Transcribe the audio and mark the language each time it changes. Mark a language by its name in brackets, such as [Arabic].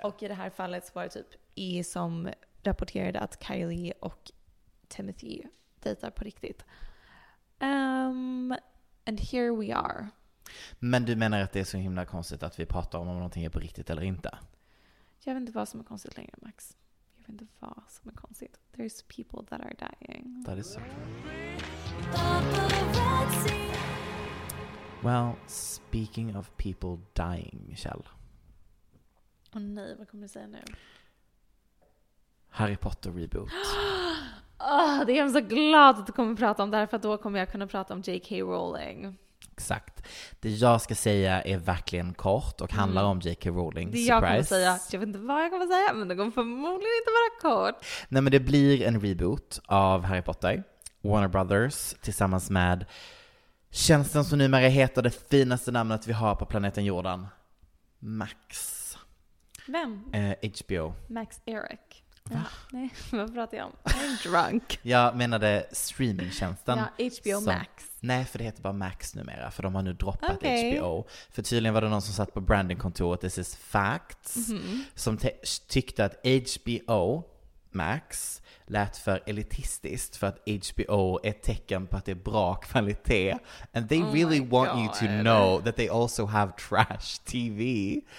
[Swedish] Och i det här fallet var det typ E som rapporterade att Kylie och Timothy dejtar på riktigt. [English] And here we are. [Swedish] Men du menar att det är så himla konstigt att vi pratar om någonting är på riktigt eller inte? Jag vet inte vad som är konstigt längre, Max. Jag vet inte vad som är konstigt. [English] There's people that are dying. That is so true. Well, speaking of people dying, Michelle. [Swedish] Åh oh, nej, vad kommer du säga nu? [English] Harry Potter reboot. [Swedish] Oh, det är jag så glad att du kommer prata om det här, för då kommer jag kunna prata om J.K. Rowling. Exakt. Det jag ska säga är verkligen kort och handlar om J.K. Rowling. Det [English] surprise. [Swedish] Jag kommer säga, jag vet inte vad jag kommer säga, men det kommer förmodligen inte vara kort. Nej, men det blir en reboot av Harry Potter. Warner Brothers tillsammans med tjänsten som numera heter det finaste namnet vi har på planeten Jordan. Max. Vem? HBO. Max Eric. Va? Ja, nej, vad pratar jag om? [English] I'm drunk. [Swedish] Jag menade streamingtjänsten. Ja, HBO så. Max. Nej, för det heter bara Max numera. För de har nu droppat okay. HBO. För tydligen var det någon som satt på brandingkontoret [English] This is Facts. [Swedish] Mm-hmm. Som tyckte att HBO Max lät för elitistiskt för att HBO är ett tecken på att det är bra kvalitet. [English] And they really want you to know that they also have trash TV.